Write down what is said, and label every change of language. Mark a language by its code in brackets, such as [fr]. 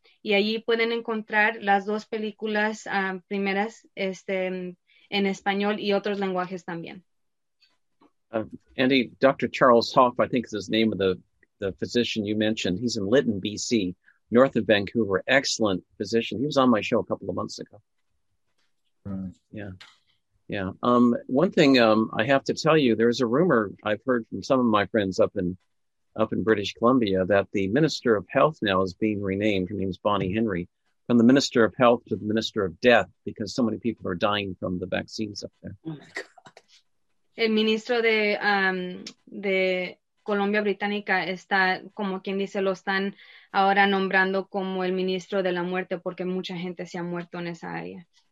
[es] y allí pueden encontrar las dos películas primeras en español y otros lenguajes también. [en] Andy, Dr. Charles Hoff, I think is his name of the physician you mentioned. He's in Lytton, BC, north of Vancouver. Excellent physician. He was on my show a couple of months ago. Right. Yeah. Yeah. One thing I have to tell you, there's a rumor I've heard from some of my friends up in British Columbia that the Minister of Health now is being renamed. Her name's Bonnie Henry, from the Minister of Health to the Minister of Death, because so many people are dying from the vaccines up there. Oh my God. [es] El ministro de Colombia Británica está, como quien dice, lo están ahora nombrando como el ministro de la muerte, porque mucha gente se ha muerto en esa área.